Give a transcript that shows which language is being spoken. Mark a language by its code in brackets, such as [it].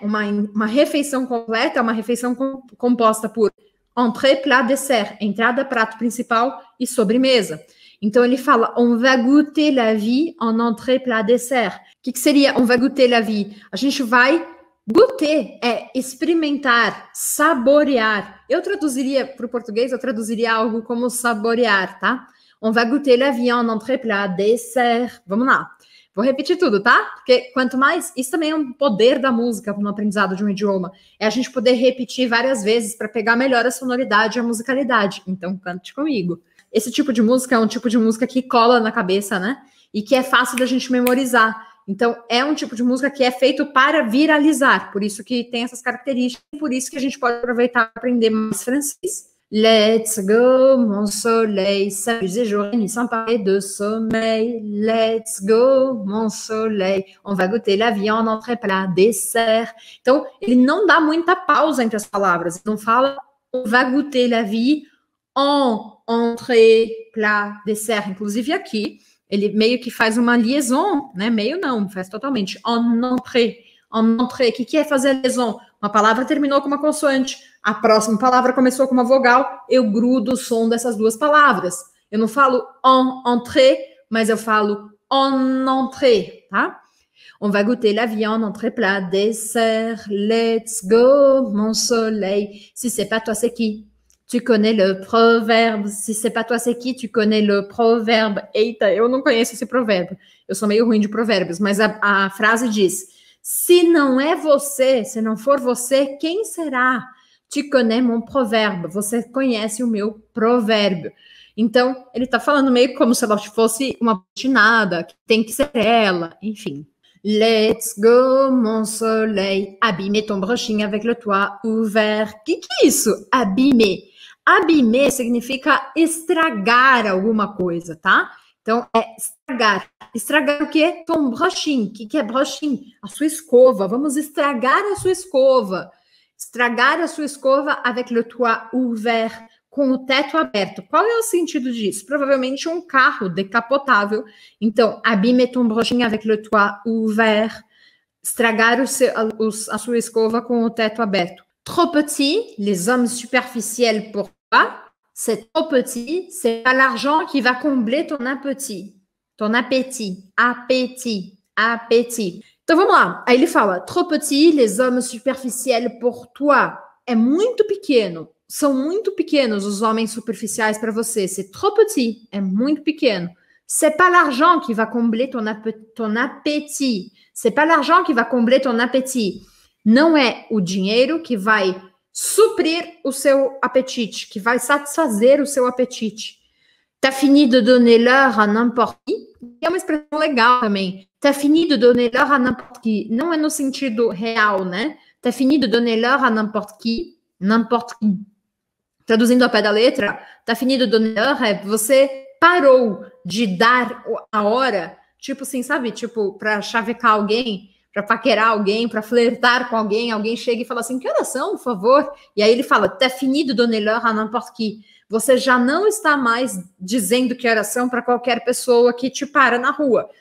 [pt] Uma refeição completa, uma refeição composta por entrée, plat, dessert, entrada, prato principal e sobremesa. Então ele fala, [fr] on va goûter la vie en entrée, plat, dessert. [pt] O que, que seria [fr] on va goûter la vie? [pt] A gente vai goûter, é experimentar, saborear. Eu traduziria para o português, eu traduziria algo como saborear, tá? [fr] On va goûter la vie en entrée, plat, dessert. [pt] Vamos lá. Vou repetir tudo, tá? Porque quanto mais, isso também é um poder da música no aprendizado de um idioma. É a gente poder repetir várias vezes para pegar melhor a sonoridade e a musicalidade. Então, cante comigo. Esse tipo de música é um tipo de música que cola na cabeça, né? E que é fácil da gente memorizar. Então, é um tipo de música que é feito para viralizar. Por isso que tem essas características. E por isso que a gente pode aproveitar para aprender mais francês. [en] Let's go, [fr] mon soleil, s'amuser jour et nuit sans parler de sommeil. [en] Let's go, [fr] mon soleil, on va goûter la viande en entrée, plat, dessert. [pt] Então, ele não dá muita pausa entre as palavras. Ele não fala, [fr] on va goûter la vie en entrée, plat, dessert. [pt] Inclusive aqui, ele meio que faz uma liaison, né? Meio não, faz totalmente. En entrée, en entrée. O que, que é fazer a liaison? Uma palavra terminou com uma consoante. A próxima palavra começou com uma vogal, eu grudo o som dessas duas palavras. Eu não falo en entrée, mas eu falo en entrée, tá? [fr] On va goûter la viande, entrée plat, dessert. [en] Let's go, [fr] mon soleil. Si c'est pas toi, c'est qui? Tu connais le proverbe. Si c'est pas toi, c'est qui? Tu connais le proverbe. [pt] Eita, eu não conheço esse proverbe. Eu sou meio ruim de provérbios, mas a frase diz: se não é você, se não for você, quem será? [fr] Tu connais mon proverbe. [pt] Você conhece o meu provérbio. Então, ele tá falando meio como se ela fosse uma botinada, que tem que ser ela, enfim. [en] Let's go, [fr] mon soleil, abîmer ton brushing avec le toit ouvert. [pt] Que é isso? Abîmer. Abîmer significa estragar alguma coisa, tá? Então, é estragar. Estragar o quê? Ton brushing. Que é brushing? A sua escova. Vamos estragar a sua escova. Estragar a sua escova [fr] avec le toit ouvert, [pt] com o teto aberto. Qual é o sentido disso? Provavelmente um carro decapotável. [fr] Então, abîmer ton brushing avec le toit ouvert. [pt] Estragar a sua escova com o teto aberto. [fr] Trop petit, les hommes superficiels, pourquoi? C'est trop petit, c'est pas l'argent qui va combler ton appétit. Ton appétit, appétit, appétit. [pt] Então, vamos lá. Aí ele fala, [fr] trop petit, les hommes superficiels, pourquoi? [pt] É muito pequeno. São muito pequenos os homens superficiais para você. [fr] C'est trop petit. [pt] É muito pequeno. [fr] C'est pas l'argent qui va combler ton appétit. C'est pas l'argent qui va combler ton appétit. [pt] Não é o dinheiro que vai suprir o seu apetite, que vai satisfazer o seu apetite. [fr] T'as fini de donner l'heure à n'importe qui. [pt] É uma expressão legal também. [fr] T'as fini de donner l'heure à n'importe qui. [pt] Não é no sentido real, né? [fr] T'as fini de donner l'heure à n'importe qui. N'importe qui. [pt] Traduzindo ao pé da letra, tá finido donner, é você parou de dar a hora, tipo assim, sabe? Tipo, pra chavecar alguém, pra paquerar alguém, pra flertar com alguém, alguém chega e fala assim, que horas são, por favor? E aí ele fala, tá finido [fr] donner à n'importe qui. [pt] Você já não está mais dizendo que horas são pra qualquer pessoa que te para na rua.